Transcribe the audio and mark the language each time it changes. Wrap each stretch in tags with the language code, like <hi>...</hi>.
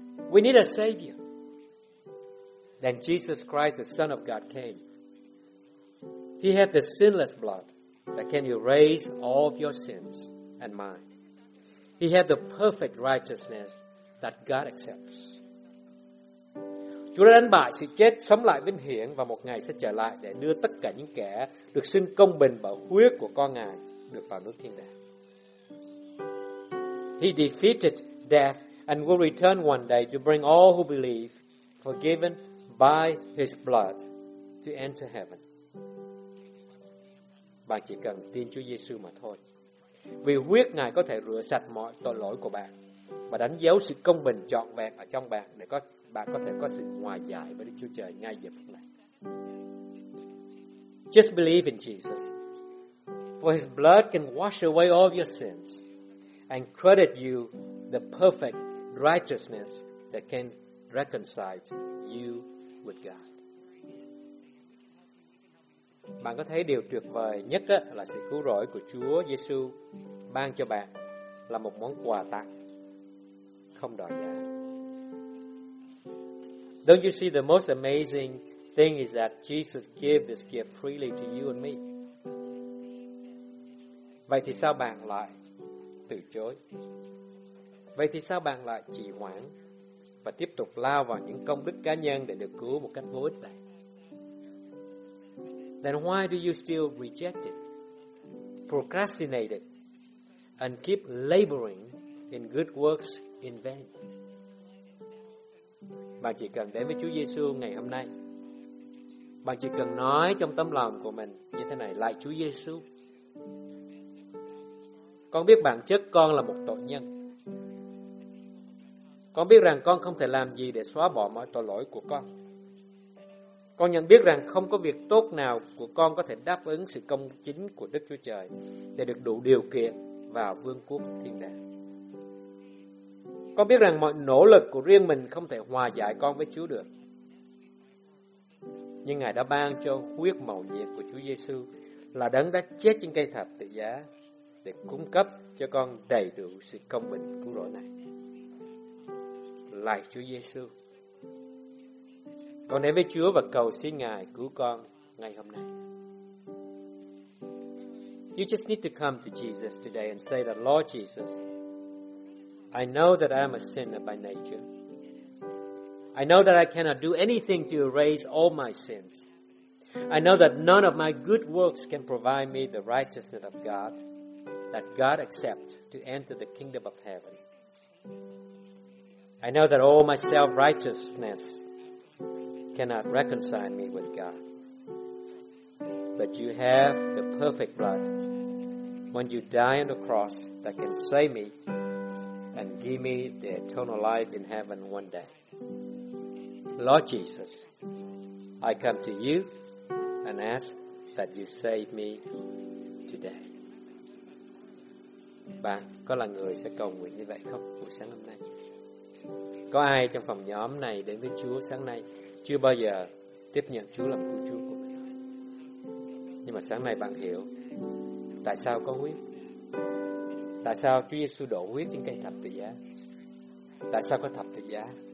<en>We need a Savior. Then Jesus Christ, the Son of God, came. He had the sinless blood that can erase all of your sins and mine. He had the perfect righteousness that God accepts.</en> <vi>Chúa đã đánh bại sự chết, sống lại vinh hiển và một ngày sẽ trở lại để đưa tất cả những kẻ được xưng công bình bởi huyết của con Ngài được vào nước thiên đàng.</vi> <en>He defeated death and will return one day to bring all who believe, forgiven by His blood, to enter heaven.</en> <vi>Bạn chỉ cần tin Chúa Giêsu mà thôi. Vì huyết Ngài có thể rửa sạch mọi tội lỗi của bạn và đánh dấu sự công bình trọn vẹn ở trong bạn để có bạn có thể có sự hòa giải với Đức Chúa Trời ngay giờ phút này.</vi> <en>Just believe in Jesus, for His blood can wash away all of your sins and credit you the perfect righteousness that can reconcile you with God.</en> <vi>Bạn có thấy điều tuyệt vời nhất á, là sự cứu rỗi của Chúa Giêsu ban cho bạn là một món quà tặng không đòi giá.</vi> <en>Don't you see the most amazing thing is that Jesus gave this gift freely to you and me?</en> <vi>Vậy thì sao bạn lại từ chối? Vậy thì sao bạn lại trì hoãn và tiếp tục lao vào những công đức cá nhân để được cứu một cách vô ích vậy?</vi> <en>Then why do you still reject it, procrastinate it, and keep laboring in good works in vain?</en> <vi>Bạn chỉ cần đến với Chúa Giêsu ngày hôm nay. Bạn chỉ cần nói trong tấm lòng của mình như thế này: Lạy Chúa Giêsu, con biết bản chất con là một tội nhân. Con biết rằng con không thể làm gì để xóa bỏ mọi tội lỗi của con. Con nhận biết rằng không có việc tốt nào của con có thể đáp ứng sự công chính của Đức Chúa Trời để được đủ điều kiện vào vương quốc thiên đàng. Con biết rằng mọi nỗ lực của riêng mình không thể hòa giải con với Chúa được. Nhưng Ngài đã ban cho huyết màu nhiệm của Chúa Giêsu là đấng đã chết trên cây thập tự giá để cung cấp cho con đầy đủ sự công bình cứu rỗi này. Lạy Chúa Giêsu, con đến với Chúa và cầu xin Ngài cứu con ngày hôm nay.</vi> <en>You just need to come to Jesus today and say that, Lord Jesus, I know that I am a sinner by nature. I know that I cannot do anything to erase all my sins. I know that none of my good works can provide me the righteousness of God that God accepts to enter the kingdom of heaven. I know that all my self-righteousness cannot reconcile me with God. But you have the perfect blood when you die on the cross that can save me and give me the eternal life in heaven one day. Lord Jesus, I come to you and ask that you save me today.</en> <vi>Bạn có là người sẽ cầu nguyện như vậy không buổi sáng hôm nay? Có ai trong phòng nhóm này đến với Chúa sáng nay chưa bao giờ tiếp nhận Chúa làm cứu Chúa của mình? Nhưng mà sáng nay bạn hiểu tại sao có huyết, tại sao Chúa Giêsu đổ huyết trên cây thập tự giá, tại sao có thập tự giá?</vi>